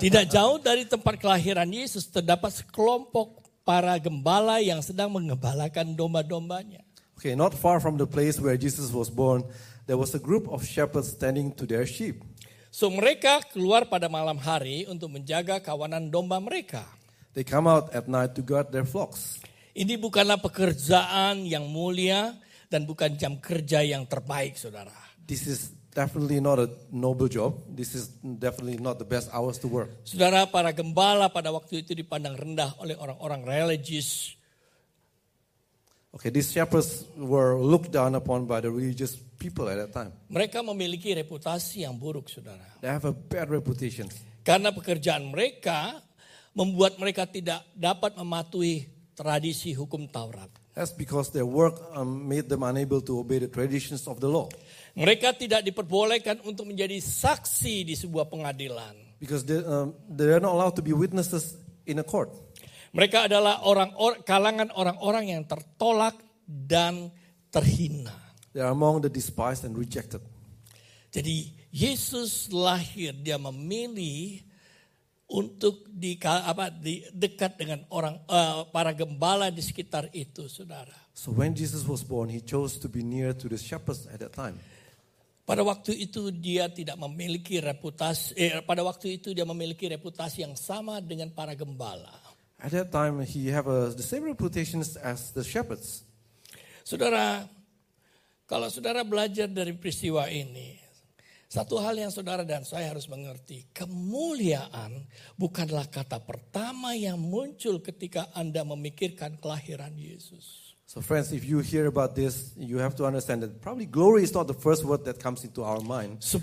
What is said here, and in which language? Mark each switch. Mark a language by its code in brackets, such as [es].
[id] Tidak jauh dari tempat kelahiran Yesus terdapat sekelompok para gembala yang sedang mengembalakan domba-dombanya. [en] Okay, not far from the place where Jesus was born, there was a group of shepherds tending to their sheep. [id] So mereka keluar pada malam hari untuk menjaga kawanan domba mereka. [en] They come out at night to guard their flocks. [id] Ini bukanlah pekerjaan yang mulia dan bukan jam kerja yang terbaik, saudara. [en] This is definitely not a noble job. This is definitely not the best hours to work. [id] Saudara, para gembala pada waktu itu dipandang rendah oleh orang-orang religious. [en] Okay, these shepherds were looked down upon by the religious people at that time. [id] Mereka memiliki reputasi yang buruk, saudara. [en] They have a bad reputation. [id] Karena pekerjaan mereka membuat mereka tidak dapat mematuhi tradisi hukum Taurat. [en] That's because their work made them unable to obey the traditions of the law. [id] Mereka tidak diperbolehkan untuk menjadi saksi di sebuah pengadilan. [en] Because they are not allowed to be witnesses in a court. [id] Mereka adalah kalangan orang-orang yang tertolak dan terhina. [en] They are among the despised and rejected. [id] Jadi Yesus lahir, dia memilih untuk di dekat dengan orang para gembala di sekitar itu, saudara. [en] So when Jesus was born, he chose to be near to the shepherds at that time. [id] Pada waktu itu dia tidak memiliki reputasi. Pada waktu itu dia memiliki reputasi yang sama dengan para gembala. [en] At that time he have the same reputation as the shepherds. [id] Saudara, kalau saudara belajar dari peristiwa ini, satu hal yang saudara dan saya harus mengerti, kemuliaan bukanlah kata pertama yang muncul ketika Anda memikirkan kelahiran Yesus. [en] So friends, if you hear about this, you have to understand that probably glory is not the first word that comes into our mind.